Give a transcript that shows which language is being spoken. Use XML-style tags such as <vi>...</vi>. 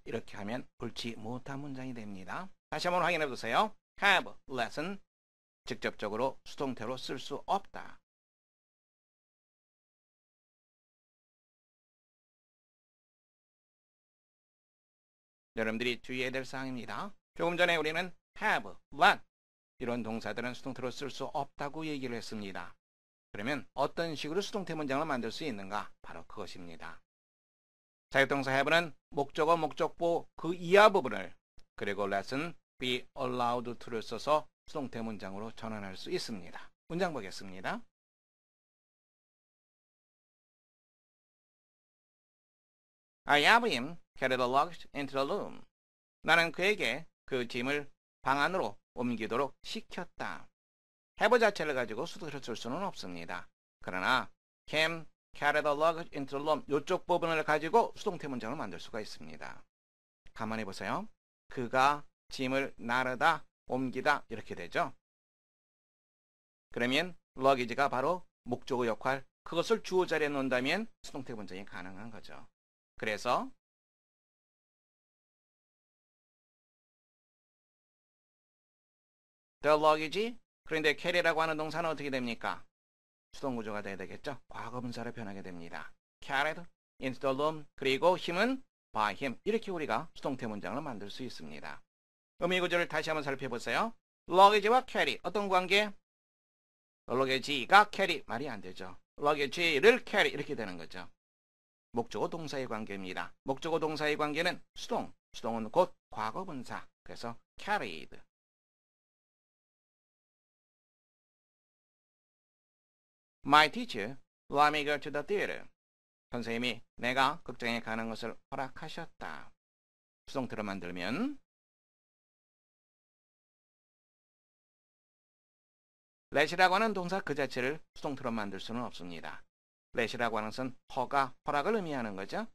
<ko>이렇게 하면 옳지 못한 문장이 됩니다. 다시 한번 확인해 보세요. Have, lesson, 직접적으로 수동태로 쓸 수 없다. 여러분들이 주의해야 될 사항입니다. 조금 전에 우리는 have, let 이런 동사들은 수동태로 쓸 수 없다고 얘기를 했습니다. 그러면 어떤 식으로 수동태 문장을 만들 수 있는가? 바로 그것입니다. 사역동사 have는 목적어, 목적보 그 이하 부분을 그리고 let은 be allowed to 를 써서 수동태 문장으로 전환할 수 있습니다. 문장 보겠습니다.</ko> <en>I have him carry the luggage into the room.</en> <ko>나는 그에게 그 짐을 방 안으로 옮기도록 시켰다. have 자체를 가지고 수동태를 쓸 수는 없습니다. 그러나 came carry the luggage into the room 이쪽 부분을 가지고 수동태 문장을 만들 수가 있습니다. 가만히 보세요. 그가 짐을 나르다 옮기다 이렇게 되죠. 그러면 luggage가 바로 목적어 역할, 그것을 주어 자리에 놓는다면 수동태 문장이 가능한 거죠. 그래서 the luggage, 그런데 carry라고 하는 동사는 어떻게 됩니까? 수동구조가 돼야 되겠죠? 과거분사로 변하게 됩니다.</ko> <en>Carried into the room, 그리고 힘은 by him.</en> <ko>이렇게 우리가 수동태 문장을 만들 수 있습니다. 의미구조를 다시 한번 살펴보세요. Luggage와 carry, 어떤 관계? Luggage가 carry, 말이 안 되죠. Luggage를 carry, 이렇게 되는 거죠. 목적어 동사의 관계입니다. 목적어 동사의 관계는 수동, 수동은 곧 과거분사, 그래서 carried.</ko> <en>'My teacher let me go to the theater.'</en> <ko>선생님이 내가 극장에 가는 것을 허락하셨다. 수동태로 만들면 let이라고 하는 동사 그 자체를 수동태로 만들 수는 없습니다. let이라고 하는 것은 허가, 허락을 의미하는 거죠.</ko>